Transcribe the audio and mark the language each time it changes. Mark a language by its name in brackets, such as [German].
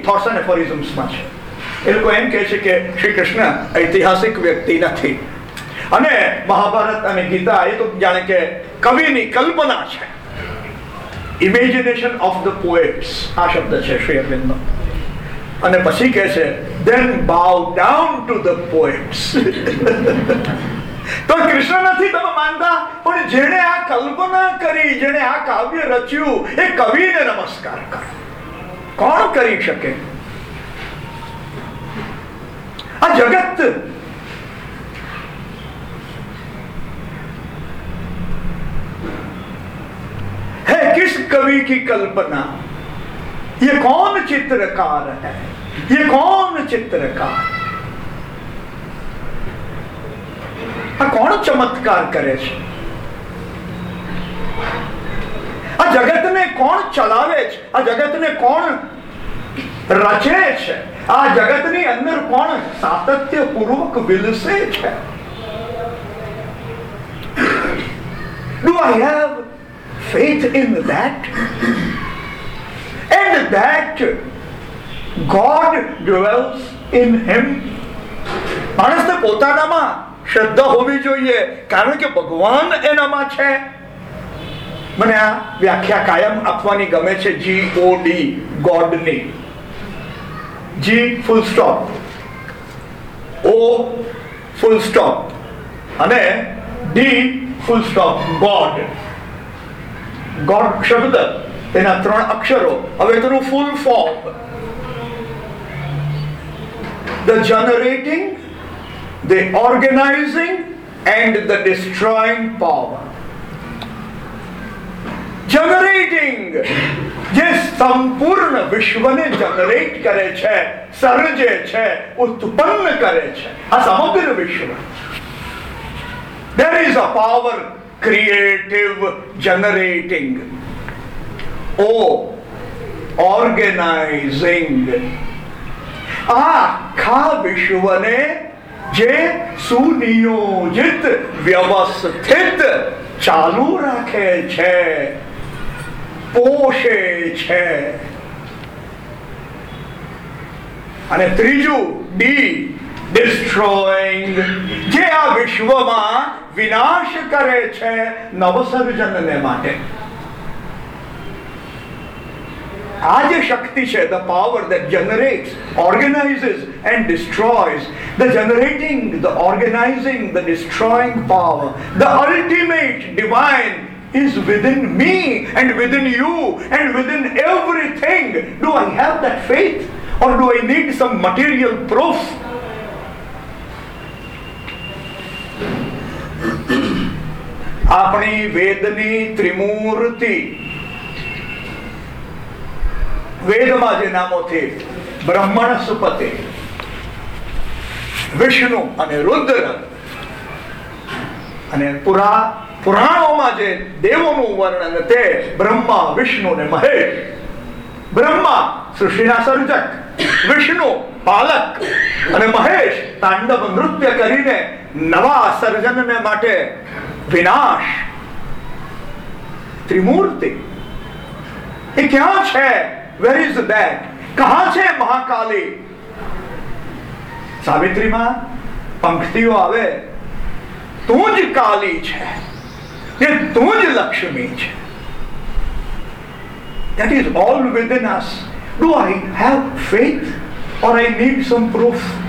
[Gujarati] Thoughts and એફોરિઝમ્સમાં છે, એ લોકો એમ કહે છે કે શ્રી કૃષ્ણ ઐતિહાસિક વ્યક્તિ નથી, અને મહાભારત અને ગીતા એ તો જાણે કે કવિની કલ્પના છે. [English] imagination of the poets, [Gujarati] આ શબ્દ છે શ્રી અરવિંદનો. અને પછી કહે છે, [English] then bow down to the poets. [Gujarati] તો કૃષ્ણ નથી તમે માનતા, પણ જેણે આ કલ્પના કરી, જેણે આ કાવ્ય રચ્યું, એ કવિને નમસ્કાર કરો. કોણ કરી શકે? [Hindi] આ જગત હે કિસ કવિ કી કલ્પના, યે કૌન ચિત્રકાર હૈ, યે કૌન ચિત્રકાર, [Gujarati] આ કૌન ચમત્કાર કરે છે, આ જગતને કૌન ચલાવે છે, આ જગતને કૌન રચે છે, આ જગતની અંદર કૌન સાતત્ય પૂર્વક વિલસે છે. [English] Do I have faith in that? And that God dwells in him. [Gujarati] માણસને પોતાનામાં શ્રદ્ધા હોવી જોઈએ, કારણ કે ભગવાન એનામાં છે. મને આ વ્યાખ્યા કાયમ આપવાની ગમે છે, G-O-D, ગોડની. જી ફૂલ સ્ટોપ, ઓ ફૂલ સ્ટોપ, અને D full stop, God. God શબ્દ એના ત્રણ અક્ષરો, હવે તેનું [English] Full form, the generating, the organising and the destroying power. [Gujarati] Generating, જે સંપૂર્ણ વિશ્વને જનરેટ કરે છે, સર્જે છે, ઉત્પન્ન કરે છે, આ સમગ્ર વિશ્વ. [English] There is a power creative generating. O, organizing. [Gujarati] આખા વિશ્વને જે સુનિયોજિત વ્યવસ્થિત ચાલુ રાખે છે, પોષે છે. અને ત્રીજું ડી, ડિસ્ટ્રોઈંગ, જે આ વિશ્વમાં વિનાશ કરે છે નવસર્જનને માટે. આ જે શક્તિ છે, [English] The power that generates, organises and destroys, the generating, the organising, the destroying power, the ultimate divine is within me and within you and within everything. Do I have that faith or do I need some material proof? [Gujarati] આપણી વેદની ત્રિમૂર્તિ, વેદમાં જે નામો છે, બ્રહ્મણ સુપતે, વિષ્ણુ અને રુદ્ર, અને પુરા પુરાણોમાં જે દેવોનું વર્ણન, તે બ્રહ્મા વિષ્ણુ ને મહેશ. બ્રહ્મા સૃષ્ટિના સર્જક, વિષ્ણુ પાલક, અને મહેશ તાંડવ નૃત્ય કરીને નવા સર્જનને માટે વિનાશ ત્રિમૂર્તિ એ ક્યાં છે? [English] Where is that? [Gujarati] કહા છે મહાકાલી? સાવિત્રીમાં પંક્તિઓ આવે, તું જ કાલી છે, એ તું જ લક્ષ્મી છે. [English] That is all within us. Do I have faith or I need some proof?